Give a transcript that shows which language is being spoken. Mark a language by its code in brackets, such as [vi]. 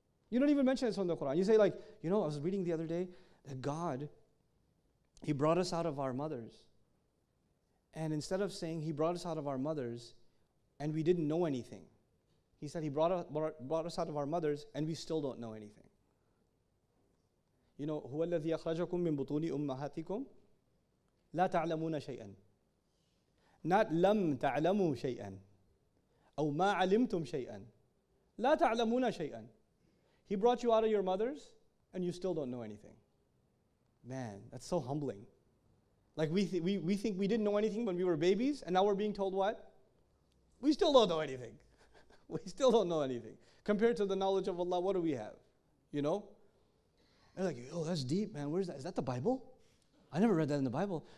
[en] You don't even mention it's from the Quran. You say, like, you know, I was reading the other day that God, he brought us out of our mothers. And instead of saying he brought us out of our mothers and we didn't know anything, he said he brought us out of our mothers and we still don't know anything. You know, [ar] هُوَ الَّذِي أَخْرَجَكُم مِّن بُطُونِ أُمَّهَاتِكُمْ لَا تَعْلَمُونَ شَيْئًا [en] Not [ar] لَمْ تَعْلَمُوا شَيْئًا أَوْ مَا عَلِمْتُمْ شَيْئًا لَا تَعْلَمُونَ شَيْئًا [en] He brought you out of your mothers and you still don't know anything. Man, that's so humbling. Like we think we didn't know anything when we were babies and now we're being told what? We still don't know anything. We still don't know anything. Compared to the knowledge of Allah, what do we have? You know? They're like, oh, that's deep, man. Where is that? Is that the Bible? I never read that in the Bible.